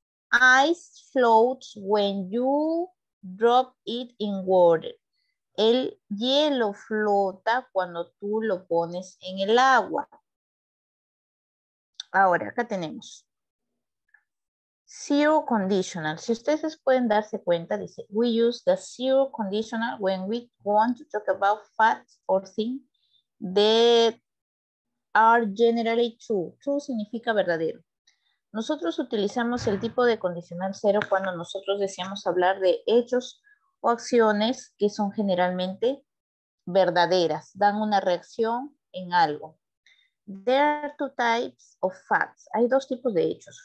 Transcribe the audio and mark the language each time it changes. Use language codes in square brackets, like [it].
[en] Ice floats when you drop it in water. [es] El hielo flota cuando tú lo pones en el agua. Ahora, acá tenemos zero conditional. Si ustedes pueden darse cuenta, dice, [en] we use the zero conditional when we want to talk about facts or things that are generally true. [es] True significa verdadero. Nosotros utilizamos el tipo de condicional cero cuando nosotros deseamos hablar de hechos o acciones que son generalmente verdaderas, dan una reacción en algo. [en] There are two types of facts. [es] Hay dos tipos de hechos.